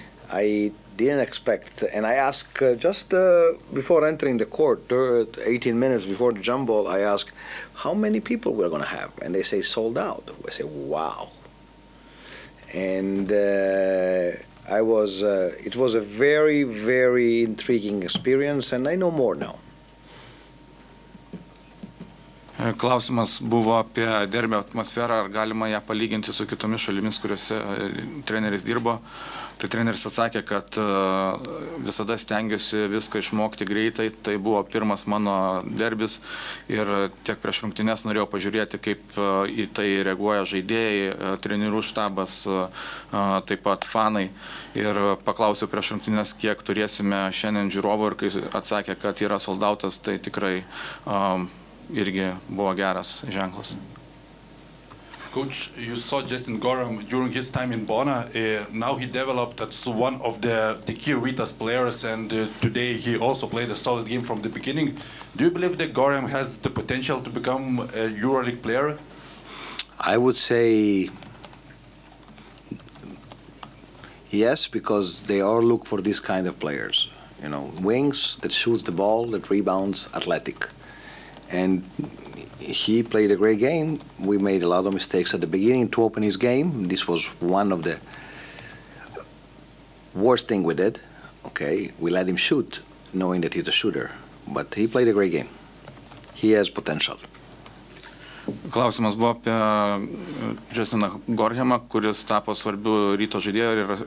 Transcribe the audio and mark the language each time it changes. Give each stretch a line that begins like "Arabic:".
English: I didn't expect, and I asked just before entering the court, 18 minutes before the jump ball, I asked how many people we're going to have, and they say sold out. I say, wow. And it was a very, very intriguing experience, and I know more now.
Lithuanian: Klausimas buvo apie derbio atmosferą, ar galima ją palyginti su kitomis šalimis, kuriuose treneris dirbo. Tai treneris atsakė, kad visada stengiuosi viską išmokti greitai. Tai buvo pirmas mano derbis ir tiek prieš rungtynes norėjau pažiūrėti, kaip į tai reaguoja žaidėjai, trenerių štabas, taip pat fanai. Ir paklausiau prieš rungtynes, kiek turėsime šiandien žiūrovų ir kai atsakė, kad yra soldautas, tai tikrai irgi buvo geras ženklas.
English: Coach, you saw Justin Gorham during his time in Bona. Now he developed as one of the key Vitas players, and today he also played a solid game from the beginning. Do you believe that Gorham has the potential to become a EuroLeague player? I would say yes, because they all look for this kind of players. You know, wings that shoots the ball, that rebounds, athletic. And he played a great game. We made a lot of mistakes at the beginning to open his game. This was one of the worst thing we did. Okay, we let him shoot, knowing that he's a shooter. But he played a great game. He has potential.
Lithuanian: Klausimas buvo apie Justiną Gorhamą, kuris tapo svarbiu ryto žaidėju.